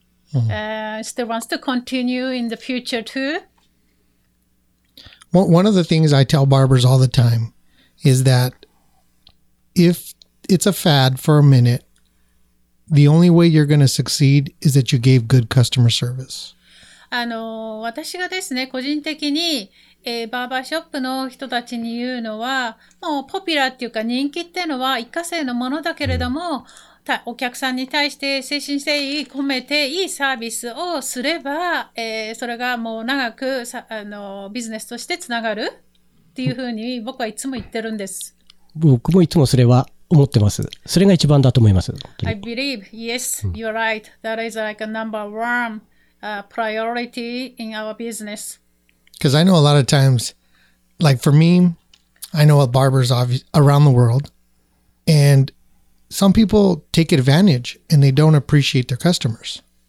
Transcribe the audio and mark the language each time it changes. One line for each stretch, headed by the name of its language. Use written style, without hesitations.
English: Still wants to continue in the future too. Well, one of the things I tell barbers all the time is that if it's a fad for a minute, the only way you're going to succeed is that you gave good customer service.
Japanese: 私がですね、個人的に、バーバーショップの人たちに言うのは、もうポピュラーっていうか人気っていうのは一過性のものだけれども、お客さんに対して誠心誠意込めていいサービスをすれば、それがもう長くビジネスとしてつながるっていうふうに僕はいつも言ってるんです。僕もいつもそれは思ってます。それが一番だと思います。
English: I believe, yes, you're right. That is like a number one、priority in our business. Because I know a lot of times, like for me, I know a barbers around the world, and some people take advantage and they don't appreciate their customers.